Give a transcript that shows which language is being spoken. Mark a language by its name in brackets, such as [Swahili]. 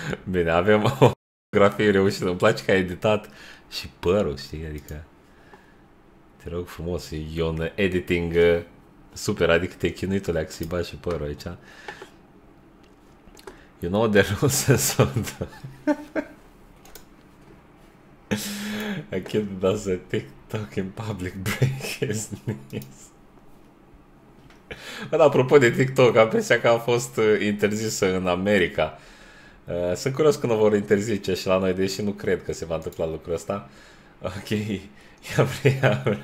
[Romanian] Bine, avem o fotografie reușită. Îmi place că ai editat și părul, știi? Adică, te rog frumos, e un editing super. Adică te-ai chinuit o leac să-i bagi și părul aici. [English] You know the rules and a kid does a TikTok in public break his knees. [Romanian] Bă, apropo de TikTok, am impresia că a fost interzisă în America. Sunt curios când o vor interzice și la noi, deși nu cred că se va întâmpla lucrul ăsta. Ok, ia.